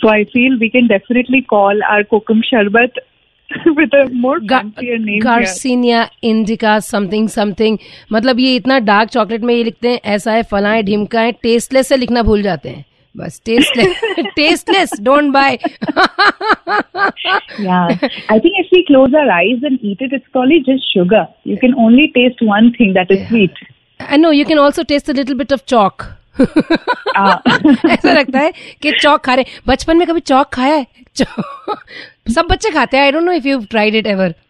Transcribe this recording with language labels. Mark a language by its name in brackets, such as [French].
[English] So I feel we can definitely call our Kokum Sharbat with a more fancier name. Garcinia indica something. [Hindi] मतलब ये इतना dark chocolate में ये लिखते हैं ऐसा है फलाएं ढिमकाएं tasteless से लिखना भूल जाते हैं. [English] बस tasteless, don't buy. Yeah, I think if we close our eyes and eat it, it's probably just sugar. You can only taste one thing, that is sweet. I know, you can also taste a little bit of chalk. [Hindi] ऐसा लगता है कि चौक खा रहे. बचपन में कभी चौक खाया है? सब बच्चे खाते हैं. [English] I don't know if you've tried it ever.